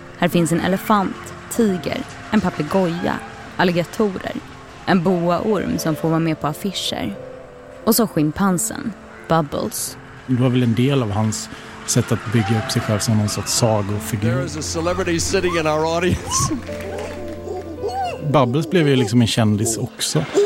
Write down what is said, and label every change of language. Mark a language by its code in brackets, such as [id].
[sv] Här finns en elefant, tiger, en papegoja, alligatorer, en boaorm som får vara med på affischer. Och så schimpansen, Bubbles. Det var väl en del av hans sätt att bygga upp sig själv som någon sorts sagofigur. [en] There is a celebrity sitting in our audience. [sv] Bubbles blev ju liksom en kändis också.